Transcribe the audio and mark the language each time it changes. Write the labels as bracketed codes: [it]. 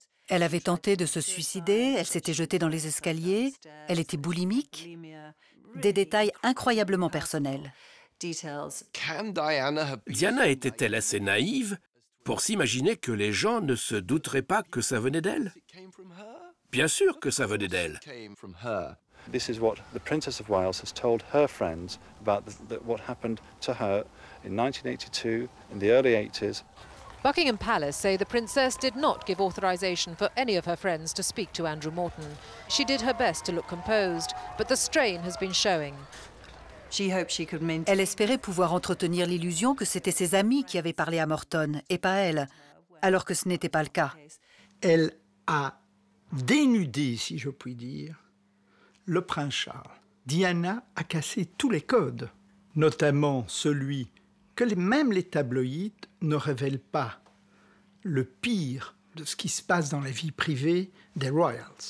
[fr] Elle avait tenté de se suicider, elle s'était jetée dans les escaliers, elle était boulimique. Des détails incroyablement personnels. Diana était-elle assez naïve pour s'imaginer que les gens ne se douteraient pas que ça venait d'elle? Bien sûr que ça venait d'elle. [en] This is what the Princess of Wales has told her friends about what happened to her in 1982, in the early 80s. Buckingham Palace say the princess did not give authorization for any of her friends to speak to Andrew Morton. She did her best to look composed, but the strain has been showing. [fr] Elle espérait pouvoir entretenir l'illusion que c'était ses amis qui avaient parlé à Morton et pas elle, alors que ce n'était pas le cas. Elle a dénudé, si je puis dire, le prince Charles. Diana a cassé tous les codes, notamment celui que même les tabloïds ne révèlent pas, le pire de ce qui se passe dans la vie privée des royals.